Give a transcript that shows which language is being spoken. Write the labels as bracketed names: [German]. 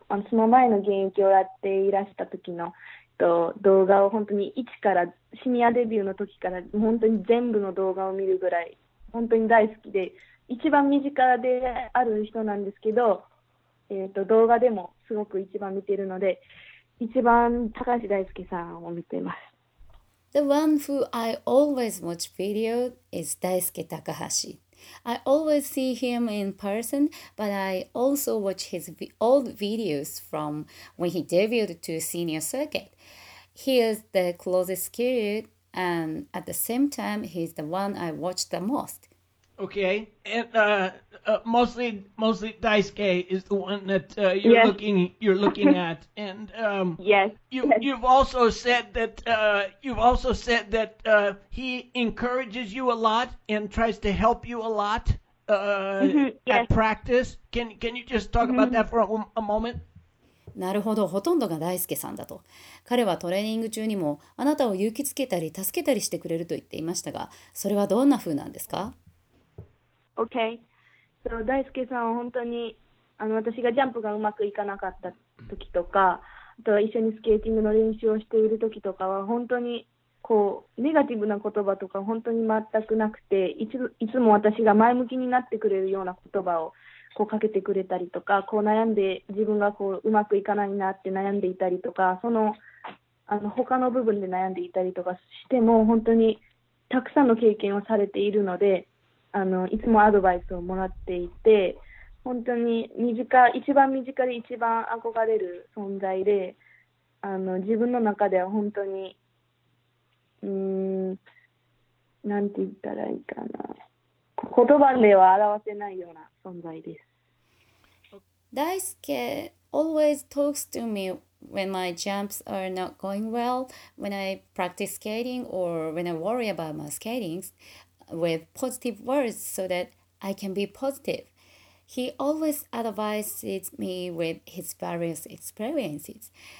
[Japanese] その前の現役をやっていらした時の、動画を本当に一から、シニアデビューの時から、本当に全部の動画を見るぐらい、本当に大好きで、一番身近である人なんですけど、動画でもすごく一番見てるので、一番高橋大輔さんを見てます。 [English] The one who I always watch video is Daisuke Takahashi. I always see him in person, but I also watch his old videos from when he debuted to senior circuit. He is the closest skater, and at the same time, he's the one I watch the most. Okay, and mostly Daisuke is the one that you're looking at, and you've also said that he encourages you a lot and tries to help you a lot at practice. Can you just talk about that for a moment? [Japanese] なるほど、ほとんどが大輔さんだと。彼はトレーニング中にもあなたを勇気つけたり助けたりしてくれると言っていましたが、それはどんな風なんですか？ [English] Okay. [Japanese] So, 大輔さんは本当に私がジャンプがうまくいかなかった時とか、あとは一緒にスケーティングの練習をしている時とかは本当にこうネガティブな言葉とか本当に全くなくて、いつも私が前向きになってくれるような言葉をこうかけてくれたりとか、こう悩んで自分がこううまくいかないなって悩んでいたりとか、その他の部分で悩んでいたりとかしても、本当にたくさんの経験をされているので、いつもアドバイスをもらっていて、本当に一番身近で一番憧れる存在で、自分の中では本当に、なんて言ったらいいかな、言葉では表せないような存在です。 [English] Daisuke always talks to me when my jumps are not going well, when I practice skating, or when I worry about my skatingwith positive words so that I can be positive. He always advises me with his various experiences.